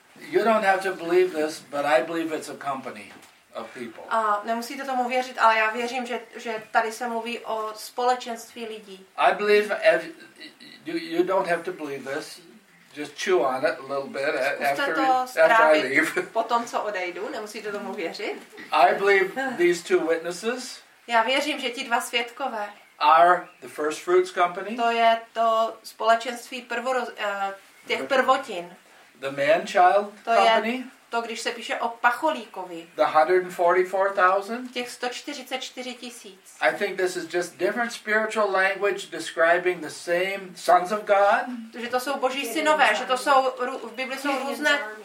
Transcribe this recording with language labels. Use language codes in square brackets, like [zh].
[en] You don't have to believe this, but I believe it's a company of people. [cs] A nemusíte tomu věřit, ale já věřím, že tady se mluví o společenství lidí. [en] I believe you don't have to believe this. Just chew on it a little bit after I leave. [cs] Potom, co odejdu, nemusíte tomu věřit. [en] I believe these two witnesses. [cs] Já věřím, že ti dva svědkové. [en] Are the First Fruits Company. [cs] To je to společenství těch prvotin. [en] The Man-Child Company. [cs] To je to, když se píše o Pacholíkovi. [en] The 144,000. [cs] Těch 144,000. [en] I think this is just different spiritual language describing the same sons of God. [cs] Že to jsou Boží synové, že to jsou v Bibli jsou různé.